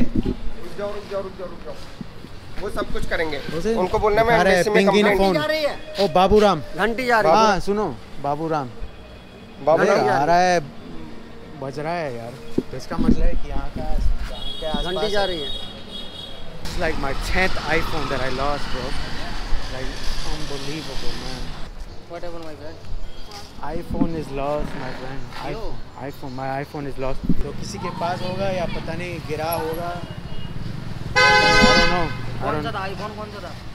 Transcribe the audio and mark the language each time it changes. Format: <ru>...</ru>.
<hi>रुक जाओ वो सब कुछ करेंगे उनको बोलना मैं एमबीसी में कंप्लेंट फोन जा रही है ओ बाबूराम घंटी जा रही है हां सुनो बाबूराम आ रहा है बज रहा है यार इसका मतलब है कि यहां का घंटी जा रही है</hi> <en>Like my 10th iPhone that I lost, bro. Like, unbelievable, man. What happened, my friend? iPhone is lost, my friend. iPhone, my iPhone is lost.</en> <hi>So, किसी के पास होगा या पता नहीं गिरा होगा?</hi> <en>I don't know.</en> <hi>कौन सा था? iPhone कौन सा था?</hi>